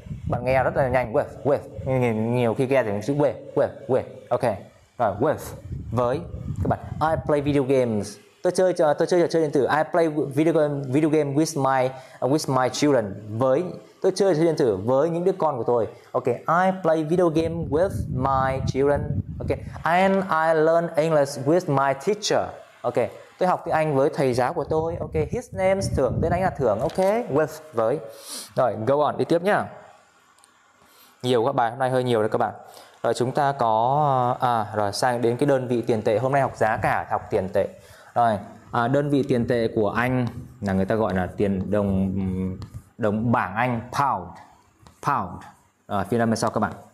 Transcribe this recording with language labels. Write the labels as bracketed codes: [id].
[vi] Bạn nghe rất là nhanh, with. Nhiều khi nghe thì chữ with. Ok. Rồi, with, với. Các bạn, [en] I play video games. [vi] tôi chơi điện tử. [en] I play video game with my children, [vi] với tôi chơi điện tử với những đứa con của tôi. [en] Okay, I play video game with my children. Okay, and I learn English with my teacher. [vi] Okay, tôi học tiếng Anh với thầy giáo của tôi. Okay, [en] his name's Thưởng, [vi] tên anh là Thưởng. Okay, with, với. Rồi, go on, đi tiếp nhá. Nhiều các bài hôm nay hơi nhiều đấy các bạn. Rồi chúng ta có rồi sang đến cái đơn vị tiền tệ. Hôm nay học giá cả, học tiền tệ. Rồi, đơn vị tiền tệ của Anh là người ta gọi là tiền đồng đồng bảng Anh, pound. Pound. Rồi phiên âm là sao các bạn?